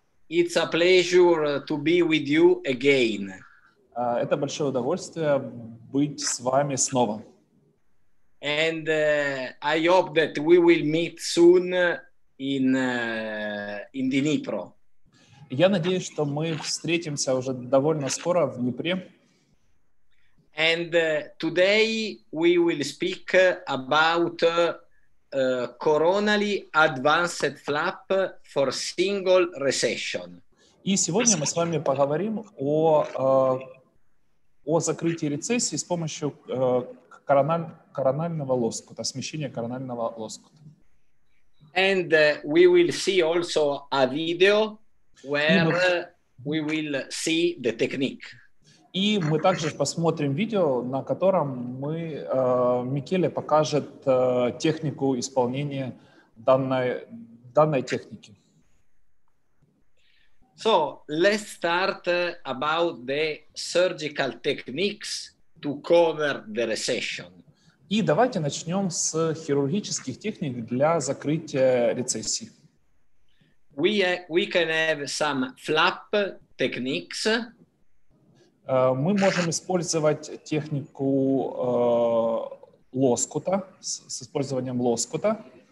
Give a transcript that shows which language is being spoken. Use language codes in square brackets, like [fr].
[en] It's a pleasure to be with you again. [ru] Это большое удовольствие быть с вами снова. [en] And I hope that we will meet soon in Dnipro. [ru] Я надеюсь, что мы встретимся уже довольно скоро в Днепре. [en] And today we will speak about coronally advanced flap for single recession. [ru] И сегодня мы с вами поговорим о закрытии рецессии с помощью коронального лоскута, смещения коронального лоскута. [en] And we will see also a video where we will see the technique. [ru] И мы также посмотрим видео, на котором Микеле покажет технику исполнения данной техники. [en] So, let's start about the surgical techniques to cover the recession. [ru] И давайте начнем с хирургических техник для закрытия рецессии. [en] We can have some flap techniques. [ru] Мы можем использовать технику лоскута, с использованием лоскута.